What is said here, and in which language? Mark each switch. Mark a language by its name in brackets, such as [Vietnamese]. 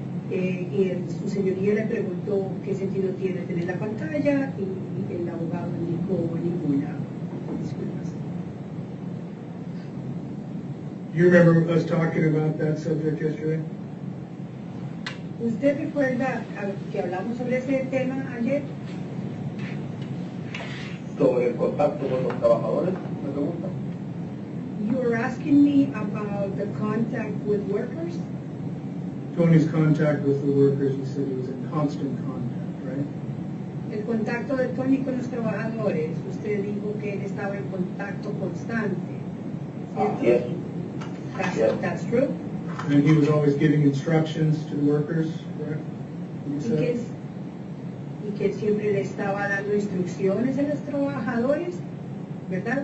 [Spanish] Y su señoría le preguntó qué sentido tiene tener la pantalla y el abogado le dijo ninguna. Disculpas. [English] You remember us talking about that subject yesterday? [Spanish] ¿Usted recuerda que hablamos sobre ese tema ayer? Sobre el contacto con los trabajadores, me pregunta. [English] You were asking me about the contact with workers? Tony's contact with the workers, you said he was in constant contact, right? [Spanish] El contacto de Tony con los trabajadores, usted dijo que él estaba en contacto constante. [English] Yes. That's true? And he was always giving instructions to the workers, correct? [Spanish] Y que siempre le estaba dando instrucciones a los trabajadores, ¿verdad?